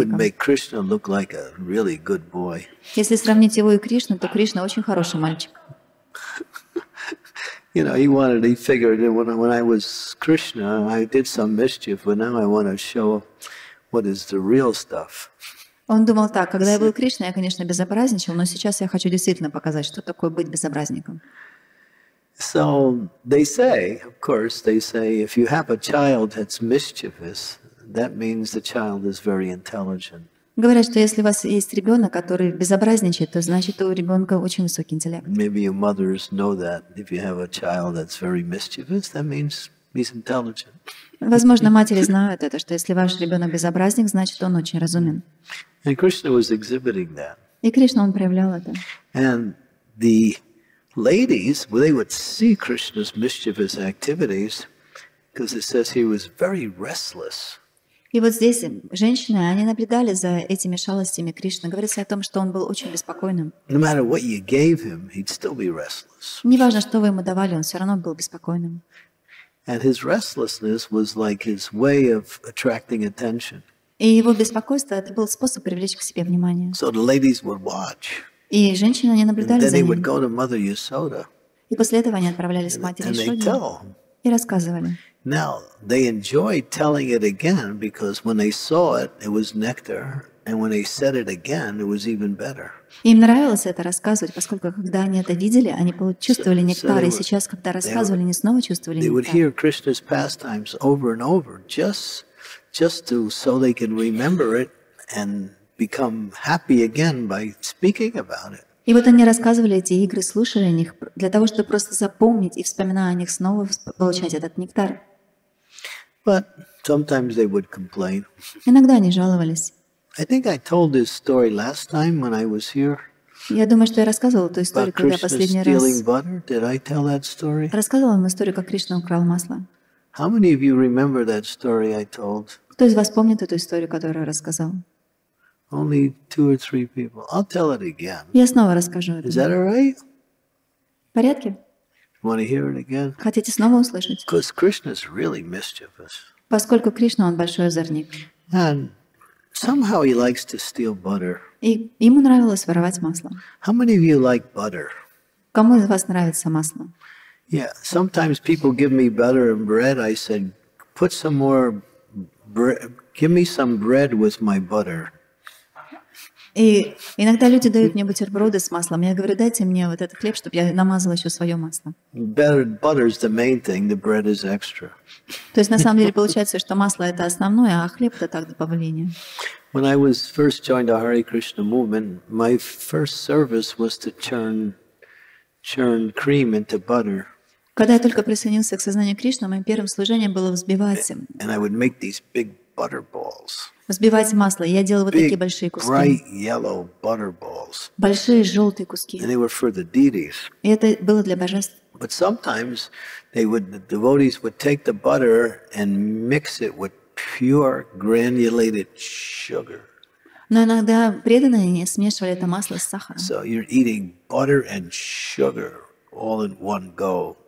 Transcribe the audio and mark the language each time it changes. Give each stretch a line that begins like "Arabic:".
English: He would make Krishna look like a really good boy.
Russian: Если сравнить его и Кришну, то Кришна очень хороший мальчик.
English: You know, he wanted, he figured, when I was Krishna, I did some mischief, but now I want to show what is the real stuff.
Russian: Он думал так, когда я был Кришна, я, конечно, безобразничал, но сейчас я хочу действительно показать, что такое быть безобразником.
English: So, they say, of course, they say, if you have a child that's mischievous, that means the child is very intelligent.
Russian: Говорят, что если у вас есть ребенок, который безобразничает, то значит, у ребенка очень высокий интеллект.
English: Maybe your mothers know that. If you have a child that's very mischievous, that means he's intelligent.
Russian: Возможно, матери знают это, что если ваш ребенок безобразник, значит, он очень разумен.
English: And Krishna was exhibiting that.
Russian: И Кришна, он проявлял это.
English: And the ladies, well, they would see Krishna's mischievous activities, because it says he was very restless.
Russian: И вот здесь женщины, они наблюдали за этими шалостями Кришны. Говорится о том, что он был очень беспокойным.
English: No matter what you gave him, he'd still be restless.
Russian: Неважно, что вы ему давали, он все равно был беспокойным.
English: And his restlessness was like his way of attracting attention.
Russian: И его беспокойство это был способ привлечь к себе внимание.
English: So the ladies would watch.
Russian: И женщины, они наблюдали за ним.
English: Then they would go to Mother Yasoda.
Russian: И после этого они отправлялись к матери Ясоде. И рассказывали.
English: Now they enjoyed telling it again because when they saw it, it was nectar, and when they said it again, it was even better.
Russian: Им нравилось это рассказывать, поскольку когда они это видели, они чувствовали нектар, и сейчас, когда рассказывали, они снова чувствовали нектар.
English: They would hear Krishna's pastimes over and over, just to so they can remember it and become happy again by speaking about it.
Russian: И вот они рассказывали эти игры, слушали о них, для того, чтобы просто запомнить и вспоминая о них снова получать этот нектар.
English: But sometimes they would complain.
Russian: Иногда они жаловались.
English: I think I told this story last time when I was here.
Russian: Я думаю, что я рассказывала эту историю, когда я последний раз.
English: About Krishna stealing butter? Did I tell that story?
Russian: Рассказывала вам историю, как Кришна украл масло.
English: How many of you remember that story I told?
Russian: Кто из вас помнит эту историю, которую я рассказал?
English: Only two or three people. I'll tell it again.
Russian: Я снова расскажу это.
English: Is that all right?
Russian: В порядке?
English: Want to hear it again?
Russian: Хотите снова услышать?
English: Because Krishna is really mischievous.
Russian: Поскольку Кришна, он большой озорник.
English: And somehow he likes to steal butter.
Russian: И ему нравилось воровать масло.
English: How many of you like butter?
Russian: Кому из вас нравится масло?
English: Yeah, sometimes people give me butter and bread. I said, put some more bread, give me some bread with my butter.
Russian: И иногда люди дают мне бутерброды с маслом. Я говорю, дайте мне вот этот хлеб, чтобы я намазал еще свое масло.
English: Butter is the main thing, the bread is extra.
Russian: То есть на самом деле получается, что масло это основное, а хлеб это так добавление.
English: When I was first joined the Hare Krishna movement, my first service was to churn cream into butter.
Russian: Когда я только присоединился к сознанию Кришны, моим первым служением было взбивать.
English: And I would make these big butter balls.
Russian: Взбивать масло. Я делал вот
English: big,
Russian: такие большие куски.
English: Bright yellow butter balls.
Russian: Большие желтые куски.
English: And they were for the deities.
Russian: И это было для божеств.
English: But sometimes they would, the devotees would take the butter and mix it with pure granulated sugar.
Russian: Но иногда преданные не смешивали это масло с сахаром.
English: So you're eating butter and sugar all in one go.